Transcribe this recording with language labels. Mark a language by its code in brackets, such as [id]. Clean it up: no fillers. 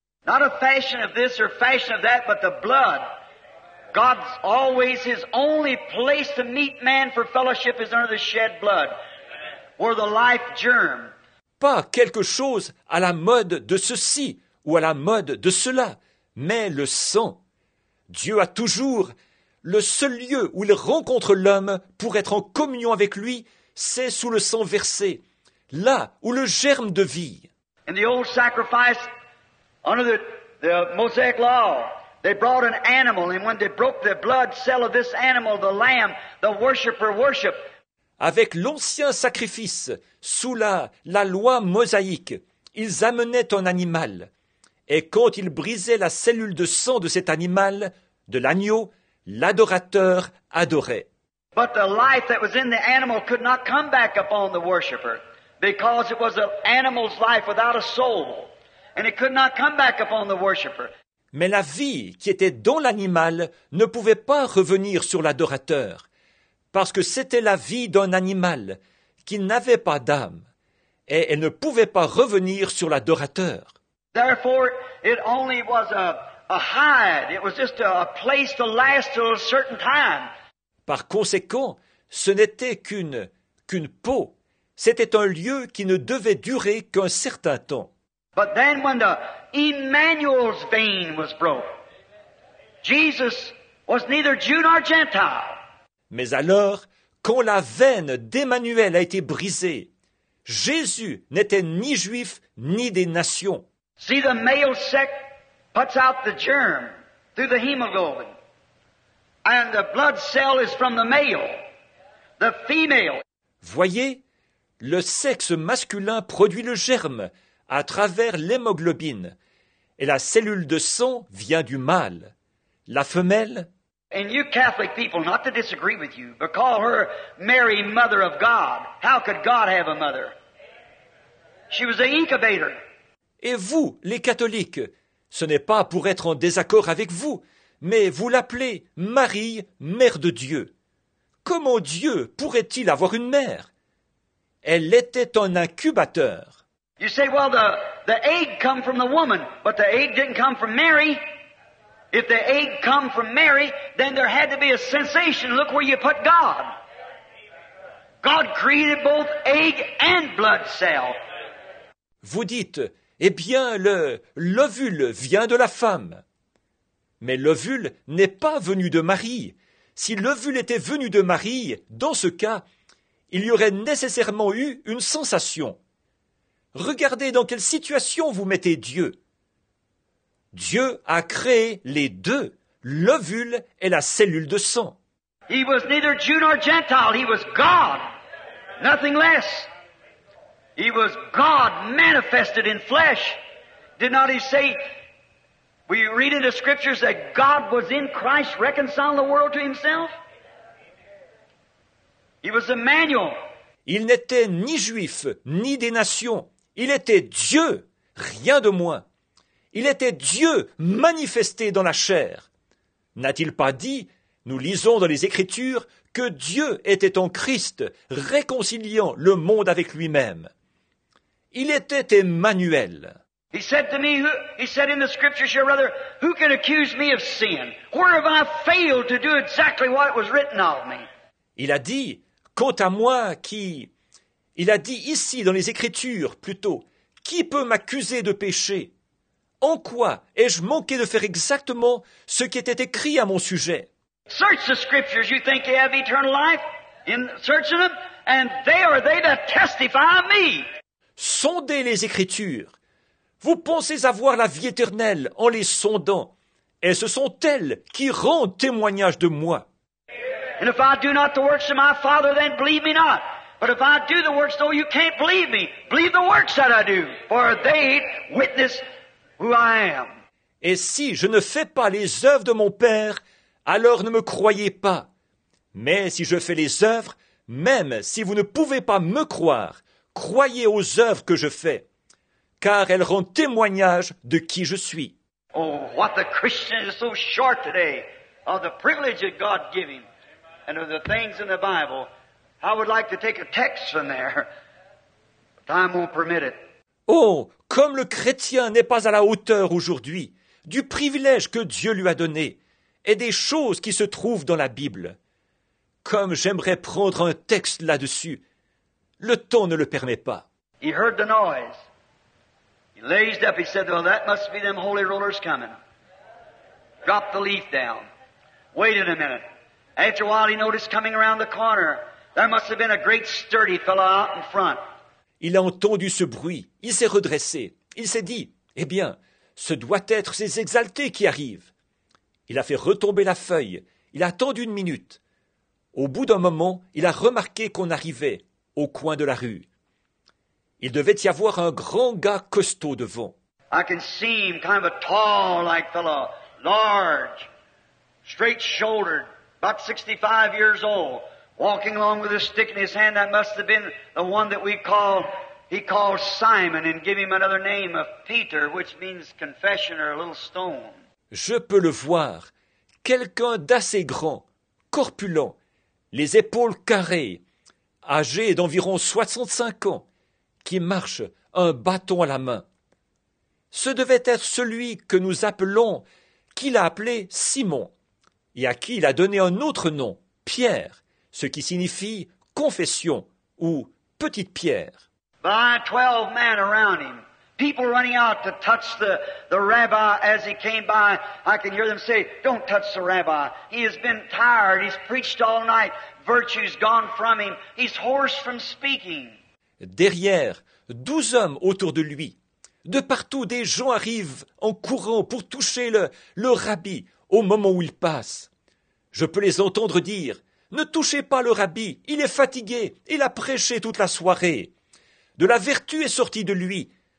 [en] Not a fashion of this or fashion of that, but the blood. God's always his only place to meet man for fellowship is under the shed blood, where the life germ. [fr] Pas quelque chose à la mode de ceci ou à la mode de cela, mais le sang. Dieu a toujours le seul lieu où il rencontre l'homme pour être en communion avec lui, c'est sous le sang versé, là où le germe de vie. [en] In the old sacrifice, under the Mosaic law, they brought an animal, and when they broke the blood cell of this animal, the lamb, the worshipper worshipped. [fr] Avec l'ancien sacrifice, sous la loi mosaïque, ils amenaient un animal. Et quand ils brisaient la cellule de sang de cet animal, de l'agneau, l'adorateur adorait. [en] But the life that was in the animal could not come back upon the worshipper, because it was an animal's life without a soul. And it could not come back upon the worshipper. [fr] Mais la vie qui était dans l'animal ne pouvait pas revenir sur l'adorateur, parce que c'était la vie d'un animal qui n'avait pas d'âme, et elle ne pouvait pas revenir sur l'adorateur. [en] Therefore, it only was a hide. It was just a place to last till a certain time. [fr] Par conséquent, ce n'était qu'une peau. C'était un lieu qui ne devait durer qu'un certain temps. [en] But then when the Emmanuel's vein was broke, Jesus was neither Jew nor Gentile. [fr] Mais alors, quand la veine d'Emmanuel a été brisée, Jésus n'était ni juif ni des nations. [en] See, the male sac puts out the germ through the hemoglobin. And the blood cell is from the male, the female. [fr] Voyez, le sexe masculin produit le germe à travers l'hémoglobine. Et la cellule de sang vient du mâle. La femelle... [en] And you Catholic people, not to disagree with you, but call her Mary, Mother of God. How could God have a mother? She was an incubator. [fr] Et vous, les catholiques, ce n'est pas pour être en désaccord avec vous, mais vous l'appelez Marie, Mère de Dieu. Comment Dieu pourrait-il avoir une mère? Elle était un incubateur. [en] You say, well, the egg come from the woman, but the egg didn't come from Mary. If the egg come from Mary, then there had to be a sensation. Look where you put God. God created both egg and blood cell. [fr] Vous dites, eh bien, l'ovule vient de la femme. Mais l'ovule n'est pas venu de Marie. Si l'ovule était venu de Marie, dans ce cas, il y aurait nécessairement eu une sensation. Regardez dans quelle situation vous mettez Dieu. Dieu a créé les deux, l'ovule et la cellule de sang. [en] He was neither Jew nor Gentile, he was God, nothing less. He was God manifested in flesh. Did not he say, we read in the scriptures that God was in Christ reconciling the world to himself? He was Emmanuel. [fr] Il n'était ni juif, ni des nations. Il était Dieu, rien de moins. Il était Dieu manifesté dans la chair. N'a-t-il pas dit, nous lisons dans les Écritures, que Dieu était en Christ, réconciliant le monde avec lui-même. Il était Emmanuel. [en] He said to me, he said in the scriptures, your brother, who can accuse me of sin? Where have I failed to do exactly what was written of me? [fr] Il a dit, quant à moi qui... Il a dit ici dans les Écritures, plutôt, qui peut m'accuser de péché? En quoi ai-je manqué de faire exactement ce qui était écrit à mon sujet? [en] Search the scriptures, you think you have eternal life? In searching them, and they are they that testify of me. [fr] Sondez les Écritures. Vous pensez avoir la vie éternelle en les sondant, et ce sont elles qui rendent témoignage de moi. [en] And if I do not the works of my Father, then believe me not. But if I do the works, though you can't believe me, believe the works that I do, for they witness who I am. [fr] Et si je ne fais pas les œuvres de mon Père, alors ne me croyez pas. Mais si je fais les œuvres, même si vous ne pouvez pas me croire, croyez aux œuvres que je fais, car elles rendent témoignage de qui je suis. [en] Oh, what the Christian is so short today of the privilege of God giving and of the things in the Bible. I would like to take a text from there, but time won't permit it. [fr] Oh, comme le chrétien n'est pas à la hauteur aujourd'hui du privilège que Dieu lui a donné et des choses qui se trouvent dans la Bible. Comme j'aimerais prendre un texte là-dessus. Le temps ne le permet pas. [en] He heard the noise. He lazed up. He said, well, that must be them holy rollers coming. Dropped the leaf down. Waited a minute. After a while, he noticed coming around the corner. There must have been a great sturdy fellow out in front. [fr] Il a entendu ce bruit. Il s'est redressé. Il s'est dit, eh bien, ce doit être ces exaltés qui arrivent. Il a fait retomber la feuille. Il a attendu une minute. Au bout d'un moment, il a remarqué qu'on arrivait au coin de la rue. Il devait y avoir un grand gars costaud devant. [en] I can see him kind of a tall-like fellow, large, straight-shouldered, about 65 years old. Walking along with a stick in his hand, that must have been the one that he called Simon, and give him another name of Peter, which means confession or a little stone. [fr] Je peux le voir, quelqu'un d'assez grand, corpulent, les épaules carrées, âgé d'environ 65 ans, qui marche un bâton à la main. Ce devait être celui que nous appelons, qu'il a appelé Simon, et à qui il a donné un autre nom, Pierre. Ce qui signifie confession ou petite pierre. [en] By 12 men around him, people running out to touch the rabbi as he came by. I can hear them say, "Don't touch the rabbi. He has been tired. He's preached all night. Virtue's gone from him. He's hoarse from speaking." [fr] Derrière, 12 hommes autour de lui. De partout, des gens arrivent en courant pour toucher le rabbi au moment où il passe. Je peux les entendre dire. Ne touchez pas le rabbi, il est fatigué, il a prêché toute la soirée. De la vertu est sortie de lui,